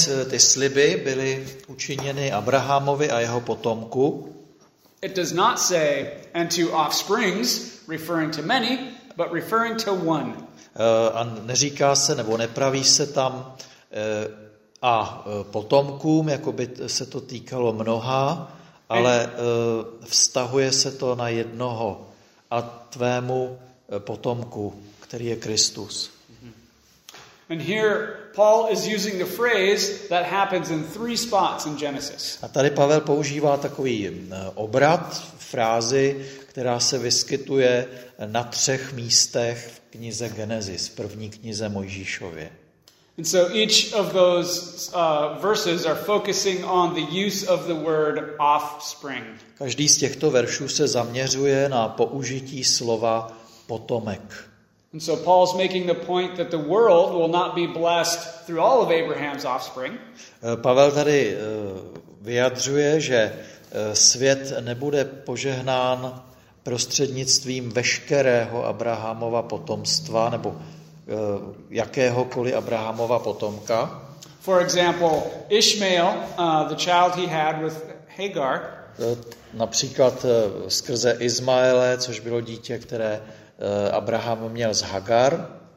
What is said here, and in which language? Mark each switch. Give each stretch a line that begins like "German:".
Czech: Ty sliby byly učiněny Abrahamovi a jeho potomku.
English: It does not say and to offsprings referring to many, but referring to one.
Czech: A neříká se nebo nepraví se tam a potomkům, jako by se to týkalo mnoha, ale vztahuje se to na jednoho a tvému potomku, který je Kristus.
English: And here Paul is using the phrase that happens in three spots in Genesis.
Czech: A tady Pavel používá takový obrat, frázi, která se vyskytuje na třech místech v knize Genesis, první knize Mojžíšově.
English: And so each of those verses are focusing on the use of the word offspring.
Czech: Každý z těchto veršů se zaměřuje na použití slova potomek.
English: And so Paul's making the point that the world will not be blessed through all of Abraham's offspring.
Czech: Pavel tady vyjadřuje, že svět nebude požehnán prostřednictvím veškerého Abrahamova potomstva nebo jakéhokoliv Abrahamova potomka.
English: For example, Ishmael, the child he had with Hagar.
Czech: Například skrze Izmaele, což bylo dítě, které Abraham měl z Hagar.